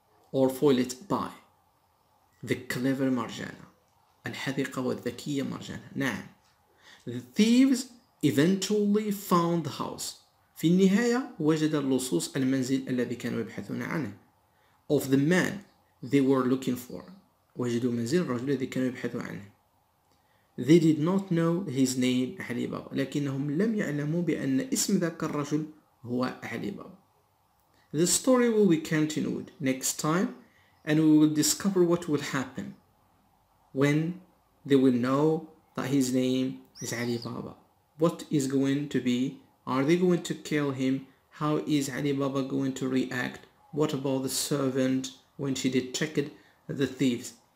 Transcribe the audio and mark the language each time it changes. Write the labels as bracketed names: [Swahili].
[English] Or foil it by the clever Marjana. [Arabic] الحذقة والذكية مرجانا. نعم. [English] The thieves eventually found the house. [Arabic] في النهاية وجد اللصوص المنزل الذي كانوا يبحثون عنه. [English] Of the man they were looking for. [Arabic] وجدوا منزل الرجل الذي كانوا يبحثون عنه. [English] They did not know his name [Arabic] علي بابا. لكنهم لم يعلموا بأن اسم ذاك الرجل هو علي بابا. [English] The story will be continued next time, and we will discover what will happen when they will know that his name is Ali Baba. What is going to be? Are they going to kill him? How is Ali Baba going to react? What about the servant when she detected the thieves?